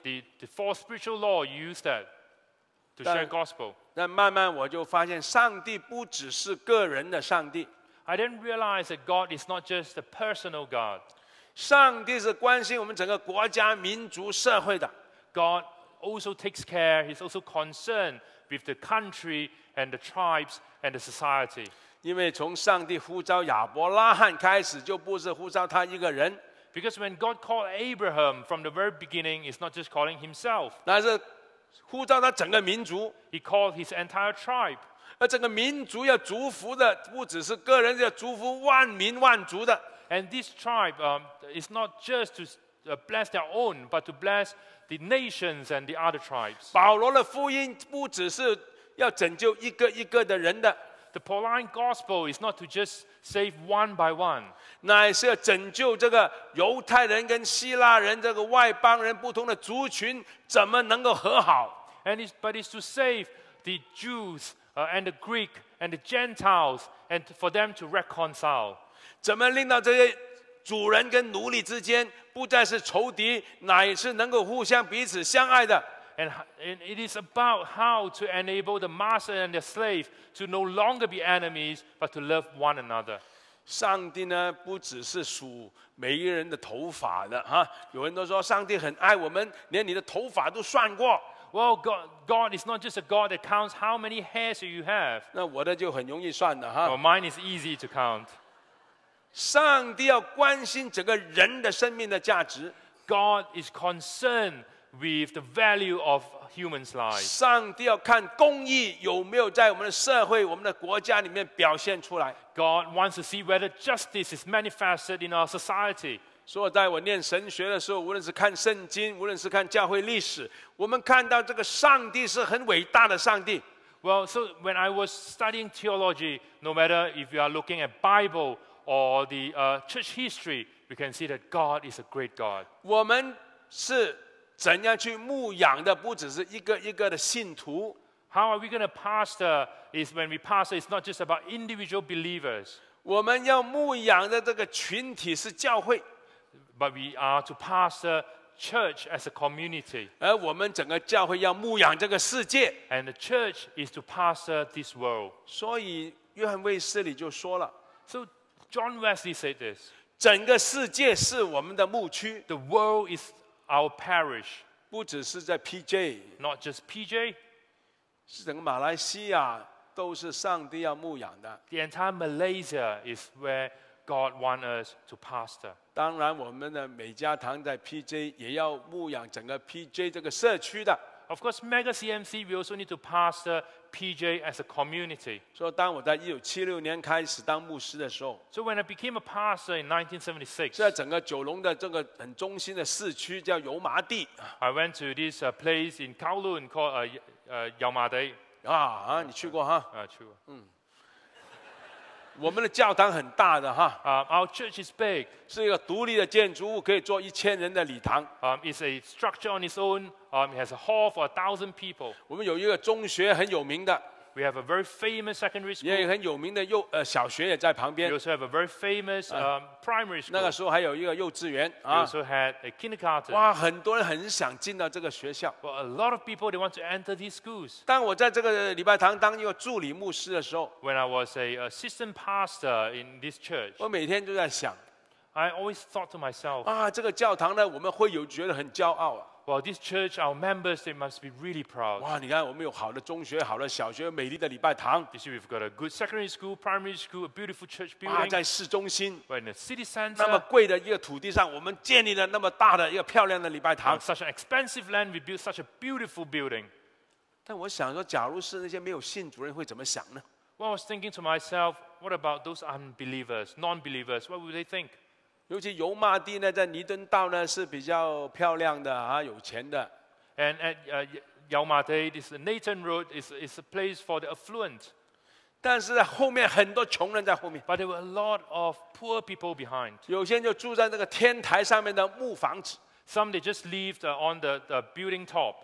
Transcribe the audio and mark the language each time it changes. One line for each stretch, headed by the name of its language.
English: Well, the four spiritual law use that to share gospel.
Chinese: 但慢慢我就发现，上帝不只是个人的上帝。
English: I didn't realize that God is not just a personal God.
Chinese: 上帝是关心我们整个国家、民族、社会的。
English: God also takes care. He's also concerned. With the country and the tribes and the society.
Chinese: 因为从上帝呼召亚伯拉罕开始，就不是呼召他一个人。
English: Because when God called Abraham from the very beginning, it's not just calling himself.
Chinese: 乃是呼召他整个民族。
English: He called his entire tribe.
Chinese: 而整个民族要祝福的，不只是个人，要祝福万民万族的。
English: And this tribe, is not just to bless their own, but to bless. The nations and the other tribes.
Chinese: 保罗的福音不只是要拯救一个一个的人的。
English: The Pauline gospel is not to just save one by one.
Chinese: 乃是要拯救这个犹太人跟希腊人这个外邦人不同的族群怎么能够和好。
English: But it's to save the Jews and the Greek and the Gentiles and for them to reconcile.
Chinese: 怎么令到这些主人跟奴隶之间不再是仇敌，乃是能够互相彼此相爱的。
English: And it is about how to enable the master and the slave to no longer be enemies, but to love one another.
Chinese: 上帝呢，不只是数每一个人的头发的哈。有人都说上帝很爱我们，连你的头发都算过。
English: Well, God is not just a God that counts how many hairs you have.
Chinese: 那我的就很容易算的哈。
English: Well, mine is easy to count.
Chinese: 上帝要关心整个人的生命的价值。
English: God is concerned with the value of human's life.
Chinese: 上帝要看公义有没有在我们的社会、我们的国家里面表现出来。
English: God wants to see whether justice is manifested in our society.
Chinese: 所以在我念神学的时候，无论是看圣经，无论是看教会历史，我们看到这个上帝是很伟大的上帝。
English: Well, so when I was studying theology, no matter if you are looking at Bible. Or the church history, we can see that God is a great God.
Chinese: 我们是怎样去牧养的？不只是一个一个的信徒。
English: How are we going to pastor? Is when we pastor, it's not just about individual believers.
Chinese: 我们要牧养的这个群体是教会。
English: But we are to pastor church as a community.
Chinese: 而我们整个教会要牧养这个世界。
English: And the church is to pastor this world.
Chinese: 所以约翰卫斯理就说了。
English: So. John Wesley said this.
Chinese: 整个世界是我们的牧区。
English: The world is our parish.
Chinese: 不只是在 PJ.
English: Not just PJ.
Chinese: 是整个马来西亚都是上帝要牧养的。
English: The entire Malaysia is where God wants us to pastor.
Chinese: 当然我们的美加堂在 PJ 也要牧养整个 PJ 这个社区的。
English: Of course, MegaCMC, we also need to pastor PJ as a community.
Chinese: So, 当我在1976年开始当牧师的时候
English: So, when I became a pastor in 1976,
Chinese: 在整个九龙的这个很中心的市区叫油麻地
English: I went to this place in Kowloon called 油麻地
Chinese: 啊啊，你去过哈？啊，去过。嗯，我们的教堂很大的哈。
English: Our church is big.
Chinese: 是一个独立的建筑物，可以坐1000人的礼堂。
English: It's a structure on its own. It has a hall for 1,000 people.
Chinese: 我们有一个中学很有名的。
English: We have a very famous secondary school.
Chinese: 也很有名的幼小学也在旁边。
English: We also have a very famous primary school.
Chinese: 那个时候还有一个幼稚园。
English: We also had a kindergarten.
Chinese: 哇，很多人很想进到这个学校。
English: But a lot of people they want to enter these schools.
Chinese: 当我在这个礼拜堂当一个助理牧师的时候
English: ，When I was a assistant pastor in this church,
Chinese: 我每天就在想
English: ，I always thought to myself,
Chinese: 啊，这个教堂呢，我们会有觉得很骄傲啊。
English: Well, this church, our members, they must be really proud.
Chinese: 哇，你看，我们有好的中学、好的小学、美丽的礼拜堂。
English: You see, we've got a good secondary school, primary school, a beautiful church building.
Chinese: 哇，在市中心。
English: Well, in the city center.
Chinese: 那么贵的一个土地上，我们建立了那么大的一个漂亮的礼拜堂。
English: On such an expensive land, we built such a beautiful building.
Chinese: 但我想说，假如是那些没有信主人会怎么想呢
English: ？Well, I was thinking to myself, what about those unbelievers, non-believers? What would they think?
Chinese: 尤其油麻地呢，在尼敦道呢是比较漂亮的啊，有钱的。
English: And at Yaumate, this Nathan Road is a place for the affluent.
Chinese: 但是后面很多穷人在后面。
English: But there were a lot of poor people behind.
Chinese: 有些人就住在那个天台上面的木房子。
English: Some they just lived on the building top.